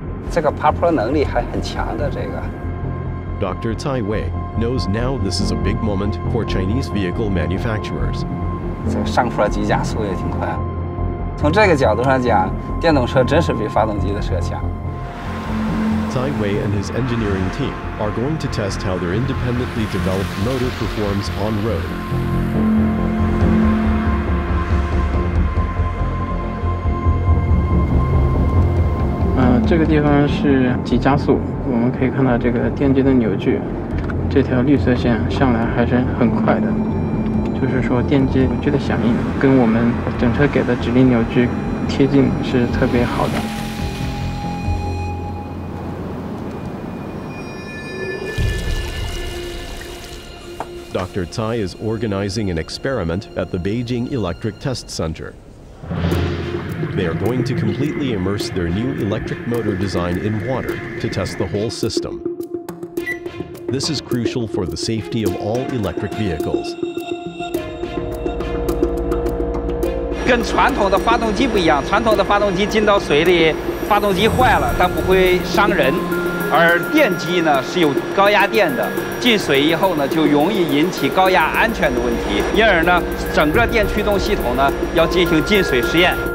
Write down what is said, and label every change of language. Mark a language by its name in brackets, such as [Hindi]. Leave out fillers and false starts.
[Chinese] 这个爬坡能力还很强的这个。 [English] Dr. Cai Wei knows now this is a big moment for Chinese vehicle manufacturers. [Chinese] 这上坡急加速也挺快。从这个角度上讲，电动车真是比发动机的车强。 [English] Cai Wei and his engineering team are going to test how their independently developed motor performs on road. [Chinese] 这个地方是急加速，我们可以看到这个电机的扭矩，这条绿色线上来还是很快的，就是说电机扭矩的响应跟我们整车给的指令扭矩贴近是特别好的。 [English] Dr. Cai is organizing an experiment at the Beijing Electric Test Center. They are going to completely immerse their new electric motor design in water to test the whole system. This is crucial for the safety of all electric vehicles. [Chinese] 跟传统的发动机不一样，传统的发动机进到水里，发动机坏了，但不会伤人。而电机呢，是有高压电的，进水以后呢，就容易引起高压安全的问题。因而呢，整个电驱动系统呢，要进行进水实验。